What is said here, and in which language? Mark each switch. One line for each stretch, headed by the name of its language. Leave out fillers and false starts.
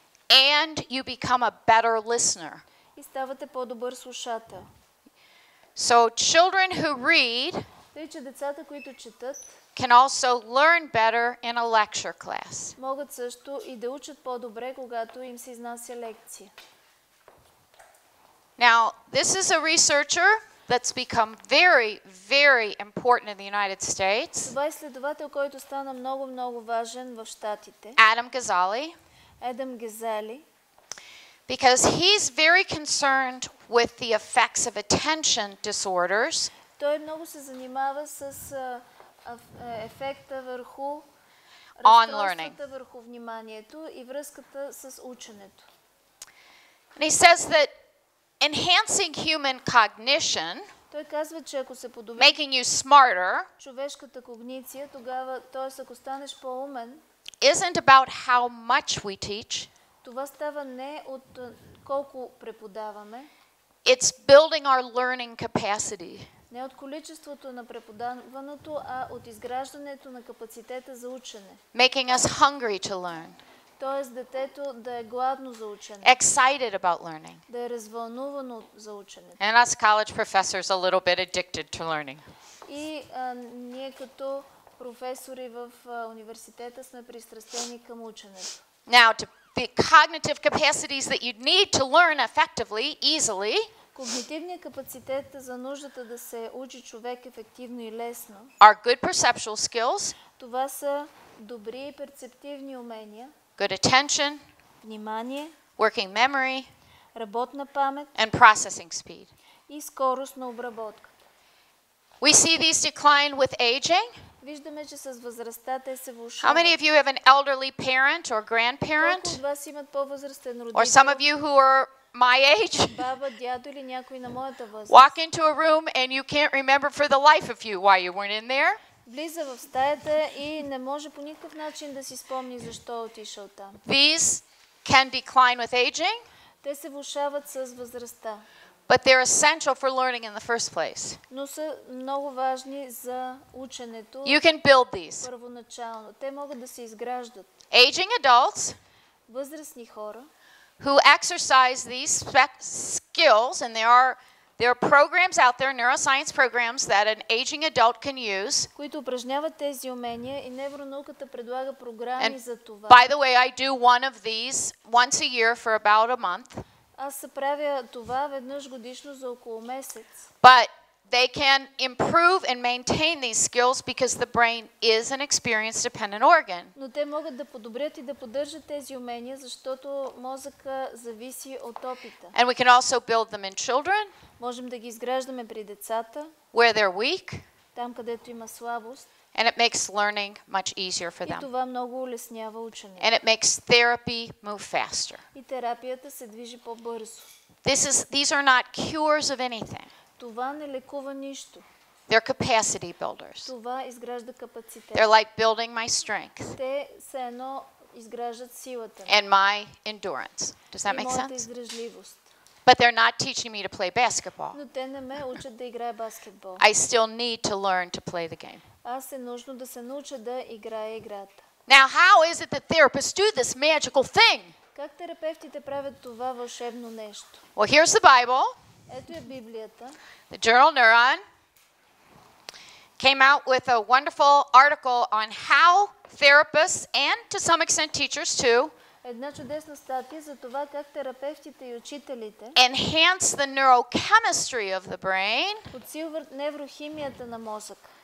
English: And you become a better listener.
Bulgarian: И ставате по-добър слушател.
English: So children who read
Bulgarian: тъй, че децата, които четат,
English: can also learn better in a lecture class.
Bulgarian: Могат също и да учат по-добре, когато им се изнася лекция.
English: Now, this is a researcher that's become very, very important in the United States.
Bulgarian: Това е следовател, който стана много-много важен в щатите. Адам Газали. Адам Газали.
English: Because he's very concerned with the effects of attention disorders.
Bulgarian: Той много се занимава с ефекта върху
English: on learning.
Bulgarian: Върху вниманието и връзката с ученето.
English: And he says that enhancing human cognition,
Bulgarian: той казва, че ако се подобри,
English: making you smarter,
Bulgarian: човешката когниция, тогава, т.е. ако станеш по-умен,
English: isn't about how much we teach.
Bulgarian: Това става не от колко преподаваме.
English: It's building our learning capacity.
Bulgarian: Не от количеството на преподаването, а от изграждането на капацитета за учене.
English: Making us hungry to learn.
Bulgarian: Тоест детето да е гладно за учене.
English: Excited about learning.
Bulgarian: Да е развълнувано за учене.
English: And us college professors a little bit addicted to learning.
Bulgarian: И ние като професори в университета сме пристрастени към ученето.
English: Now to the cognitive capacities that you'd need to learn effectively, easily.
Bulgarian: Когнитивният капацитет за нуждата да се учи човек ефективно и лесно.
English: Are good perceptual skills.
Bulgarian: Това са добри перцептивни умения.
English: Good attention.
Bulgarian: Внимание.
English: Working memory.
Bulgarian: Работна памет.
English: And processing speed.
Bulgarian: И скорост на обработка.
English: We see these decline with aging.
Bulgarian: Виждаме, че с възрастта те се влошават.
English: How many of you have an elderly parent or grandparent?
Bulgarian: Колко от вас имат по-възрастен родител?
English: Or some of you who are my age.
Bulgarian: Баба, дядо или някой на моята възраст.
English: Walk into a room and you can't remember for the life of you why you weren't in there.
Bulgarian: Влиза в стаята и не може по никакъв начин да си спомни защо отишъл там.
English: These can decline with aging.
Bulgarian: Те се влошават с възрастта.
English: But they're essential for learning in the first place.
Bulgarian: Но са много важни за ученето.
English: You can build these.
Bulgarian: Първоначално те могат да се изграждат.
English: Aging adults.
Bulgarian: Възрастни хора.
English: Who exercise these skills, and there are programs out there, neuroscience programs that an aging adult can use.
Bulgarian: Които упражняват тези умения и невронауката предлага програми за това.
English: By the way, I do one of these once a year for about a month.
Bulgarian: Аз се правя това веднъж годишно за около месец.
English: But they can improve and maintain these skills because the brain is an experience dependent organ.
Bulgarian: Но те могат да подобрят и да поддържат тези умения, защото мозъка зависи от опита.
English: And we can also build them in children.
Bulgarian: Можем да ги изграждаме при децата.
English: Where they're weak.
Bulgarian: Там, където има слабост.
English: And it makes learning much easier for them.
Bulgarian: И това много улеснява ученето.
English: And it makes therapy move faster.
Bulgarian: И терапията се движи по-бързо.
English: These are not cures of anything.
Bulgarian: Това не лекува нищо.
English: They're capacity builders.
Bulgarian: Това изгражда капацитет.
English: They're like building my strength.
Bulgarian: Те са едно изграждат силата.
English: And my endurance. Does that make sense?
Bulgarian: И моята издръжливост.
English: But they're not teaching me to play basketball.
Bulgarian: Но те не ме учат да играя баскетбол.
English: I still need to learn to play the game.
Bulgarian: Аз е нужно да се науча да играя играта.
English: Now how is it that therapists do this magical thing?
Bulgarian: Как терапевтите правят това вълшебно нещо?
English: Well, here's the Bible.
Bulgarian: Ето е Библията.
English: The journal Neuron. came out with a wonderful article on how therapists and to some extent teachers too
Bulgarian: една чудесна статия за това как терапевтите и учителите
English: enhance the neurochemistry of the brain
Bulgarian: подсилват неврохимията на мозъка